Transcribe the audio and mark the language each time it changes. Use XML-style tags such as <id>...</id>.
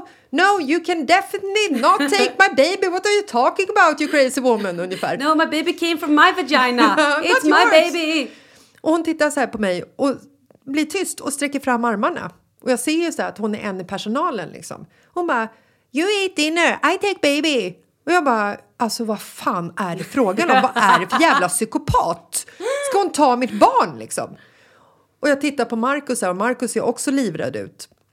<en>No, you can definitely not take my baby. What are you talking about, you crazy woman?</en> <sv>Ungefär.</sv> <en>No, my baby came from my vagina. It's my baby.</en> <sv>Och hon tittar så här på mig och blir tyst och sträcker fram armarna. Och jag ser ju så att hon är en i personalen liksom. Hon bara:</sv> <en>you eat dinner, I take baby.</en> <sv>Och jag bara: alltså vad fan är det frågan om? Vad är det för jävla psykopat? Ska hon ta mitt barn liksom? Och jag tittar på Marcus här, och Marcus ser också livrädd ut.</sv>